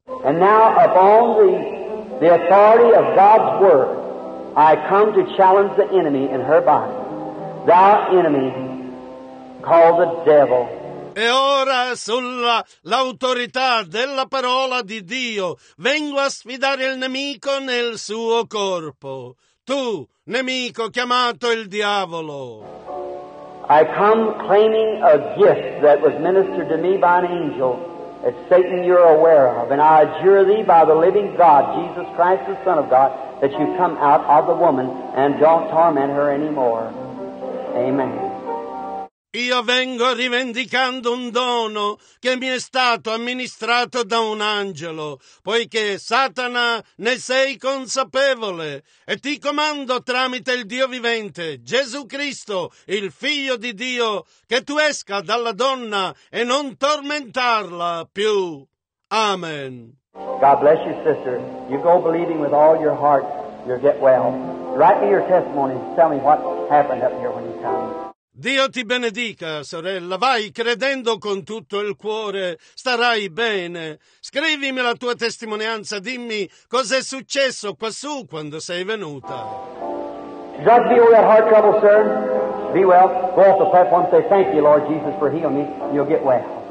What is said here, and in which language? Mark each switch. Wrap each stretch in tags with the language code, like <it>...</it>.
<en>And now upon the authority of God's word, I come to challenge the enemy in her body, thou enemy called the devil.</en> <it>E ora, sulla l'autorità della parola di Dio, vengo a sfidare il nemico nel suo corpo. Tu, nemico chiamato il diavolo.</it> <en>I come claiming a gift that was ministered to me by an angel that Satan you're aware of, and I adjure thee by the living God, Jesus Christ, the Son of God, that you come out of the woman and don't torment her anymore. Amen.</en> <it>Io vengo rivendicando un dono che mi è stato amministrato da un angelo, poiché Satana ne sei consapevole, e ti comando tramite il Dio vivente, Gesù Cristo, il Figlio di Dio, che tu esca dalla donna e non tormentarla più. Amen.</it> <en>God bless you, sister. You go believing with all your heart, you'll get well. Write me your testimony, tell me what happened up here when you came.</en> <it>Dio ti benedica, sorella. Vai credendo con tutto il cuore, starai bene. Scrivimi la tua testimonianza, dimmi cos'è successo quassù quando sei venuta.</it> <en>Just deal with that heart trouble, sir. Be well. Go off the platform and say, thank you, Lord Jesus, for healing me. You'll get well.</en>